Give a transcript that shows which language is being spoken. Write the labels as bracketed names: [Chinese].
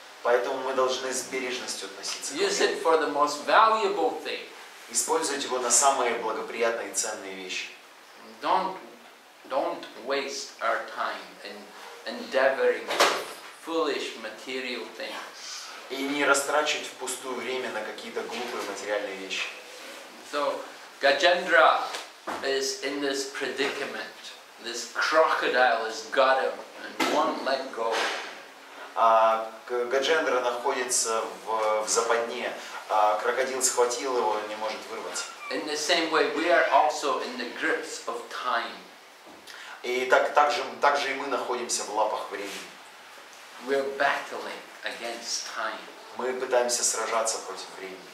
[Russian] Поэтому мы должны с бережностью относиться. [English] Use it for the most valuable thing. [Russian] Используйте его на самые благоприятные и ценные вещи. [English] Don't waste our time in endeavoring foolish material things. [Russian] И не растрачивать впустую время на какие-то глупые материальные вещи. [English] So, Gajendra is in this predicament. This crocodile has got him and won't let go. [Russian] Гаджендра находится в западне. Крокодил схватил его, он не может вырвать. [English] In the same way, we are also in the grips of time. [Russian] И так же и мы находимся в лапах времени. [English] We are battling against time. [Russian] Мы пытаемся сражаться против времени.